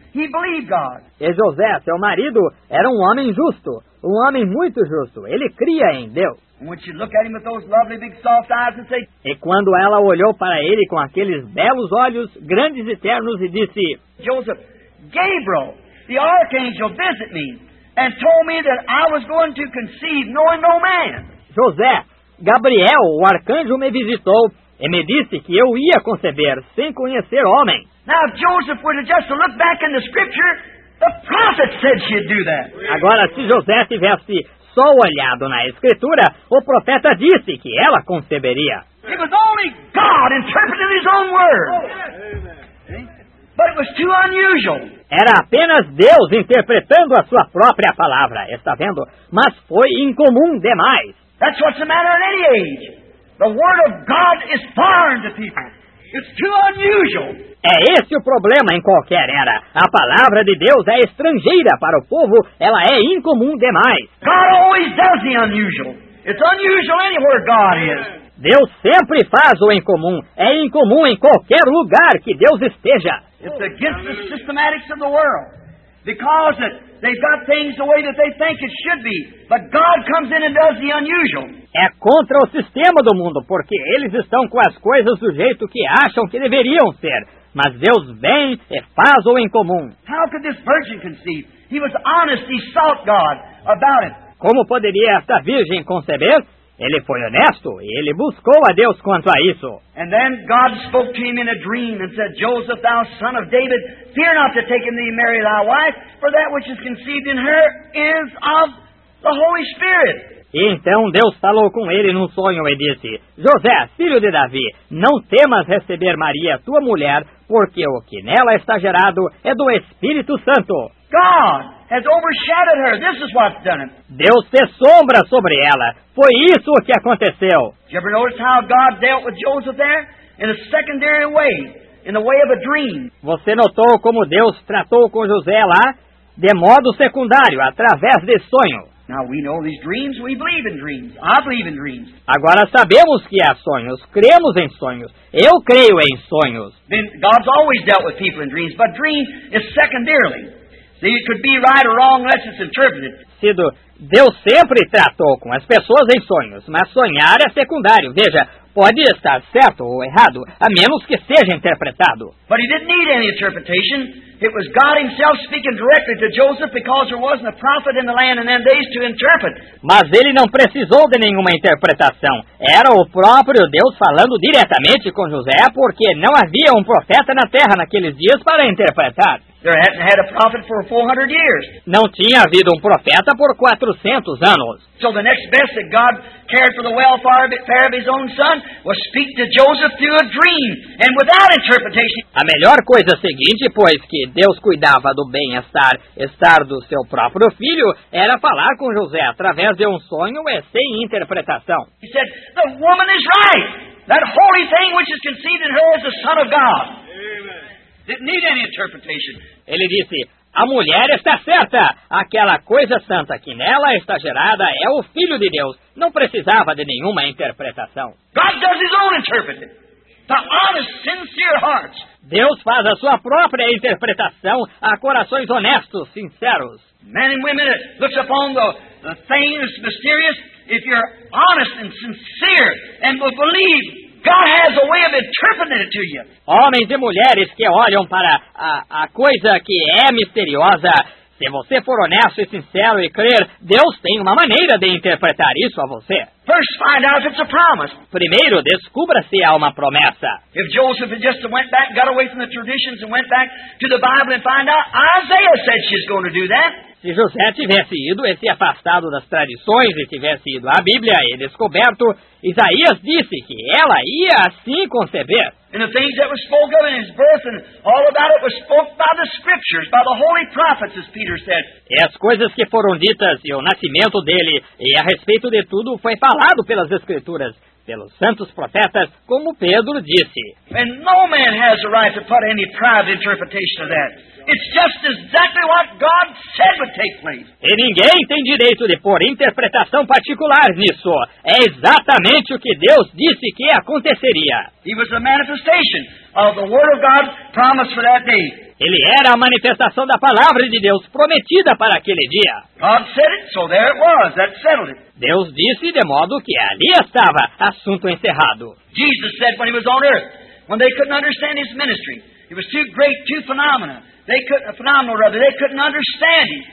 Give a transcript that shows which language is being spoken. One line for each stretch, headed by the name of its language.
English: He believed God.
Portuguese: E José, seu marido, era um homem justo, um homem muito justo. Ele cria em Deus.
English: And when she looked at him with those lovely big soft eyes and said,
Portuguese: e quando ela olhou para ele com aqueles belos olhos, grandes e ternos, e disse,
English: Joseph, Gabriel, the archangel, visit me. And told me that I was going to conceive knowing no man.
Portuguese: José, Gabriel, o arcanjo me visitou e me disse que eu ia conceber sem conhecer homem.
English: Now if Joseph were to just look back in the scripture, the prophet said she'd do that.
Portuguese: Agora se José tivesse só olhado na escritura, o profeta disse que ela conceberia.
English: It was only God interpreting his own word. Oh, yes. Amen. But it was too unusual.
Portuguese: Era apenas Deus interpretando a sua própria palavra, está vendo? Mas foi incomum demais.
English: That's what's the matter in any age. The word of God is foreign to people. It's too unusual.
Portuguese: É esse o problema em qualquer era. A palavra de Deus é estrangeira para o povo, ela é incomum demais.
English: God always does the unusual. It's unusual anywhere God is.
Portuguese: Deus sempre faz o incomum. É incomum em qualquer lugar que Deus esteja.
English: It's against the systematics of the world. Because they've got things the way that they think it should be. But God comes in and does the unusual.
Portuguese: É contra o sistema do mundo, porque eles estão com as coisas do jeito que acham que deveriam ser. Mas Deus vem e faz o incomum.
English: How could this virgin conceive? He was honest, he sought God about it.
Portuguese: Como poderia esta virgem conceber? Ele foi honesto e ele buscou a Deus quanto a isso.
English: And then God spoke to him in a dream and said, Joseph, thou son of David, fear not to take him thee Mary thy wife, for that which is conceived in her is of the Holy Spirit.
Portuguese: E então Deus falou com ele num sonho e disse, José, filho de Davi, não temas receber Maria, tua mulher, porque o que nela está gerado é do Espírito Santo.
English: God has overshadowed her. This is what's done it.
Portuguese: Deus fez sombra sobre ela. Foi isso o que aconteceu.
English: Did you ever notice how God dealt with Joseph there? In a secondary way. In the way of a dream.
Portuguese: Você notou como Deus tratou com José lá? De modo secundário, através de sonho.
English: Now we know these dreams. We believe in dreams. I believe in dreams.
Portuguese: Agora sabemos que há sonhos. Cremos em sonhos. Eu creio em sonhos.
English: Then God's always dealt with people in dreams. But dreams is secondarily. See, it could be right or wrong unless it's interpreted.
Portuguese: Sido, Deus sempre tratou com as pessoas em sonhos, mas sonhar é secundário. Veja, pode estar certo ou errado, a menos que seja interpretado.
English: But he didn't need any interpretation. It was God himself speaking directly to Joseph because there wasn't a prophet in the land in them days to interpret.
Portuguese: Mas ele não precisou de nenhuma interpretação. Era o próprio Deus falando diretamente com José porque não havia um profeta na terra naqueles dias para interpretar.
English: There hadn't had a prophet for 400 years.
Portuguese: Não tinha havido um profeta por 400 anos.
English: So the next best that God cared for the welfare of his own son was speak to Joseph through a dream and without interpretation.
Portuguese: A melhor coisa seguinte, pois que Deus cuidava do bem-estar do seu próprio filho, era falar com José através de um sonho e sem interpretação.
English: He said, the woman is right. That holy thing which is conceived in her is the Son of God. Didn't need any interpretation.
Portuguese: Ele disse, a mulher está certa. Aquela coisa santa que nela está gerada é o Filho de Deus. Não precisava de nenhuma interpretação.
English: God does his own interpreting. The honest, sincere hearts.
Portuguese: Deus faz a sua própria interpretação a corações honestos, sinceros.
English: Men and women look upon the thing that's mysterious. If you're honest and sincere and will believe, God has a way of interpreting it to you.
Portuguese: Homens e mulheres que olham para a coisa que é misteriosa, se você for honesto e sincero e crer, Deus tem uma maneira de interpretar isso a você.
English: First, find out if it's a promise.
Portuguese: Primeiro, descubra se há uma promessa.
English: If Joseph had just went back, got away from the traditions and went back to the Bible and find out, Isaiah said she's going to do that.
Portuguese: Se José tivesse ido e se afastado das tradições e tivesse ido à Bíblia e descoberto, Isaías disse que ela ia assim conceber.
English: And the things that were spoken of in his birth and all about it were spoken by the scriptures, by the holy prophets, as Peter said.
Portuguese: E as coisas que foram ditas e o nascimento dele e a respeito de tudo foi falado pelas escrituras, pelos santos profetas, como Pedro disse.
English: And no man has the right to put any private interpretation of that. It's just exactly what God said would take place.
Portuguese: E ninguém tem direito de pôr interpretação particular nisso. É exatamente o que Deus disse que aconteceria.
English: He was a manifestation of the word of God promised for that day.
Portuguese: Ele era a manifestação da palavra de Deus prometida para aquele dia.
English: God said it, so there it was. That settled it.
Portuguese: Deus disse de modo que ali estava, assunto encerrado.
English: Jesus said when he was on earth, when they couldn't understand his ministry, it was too great, too phenomenal. They couldn't understand him.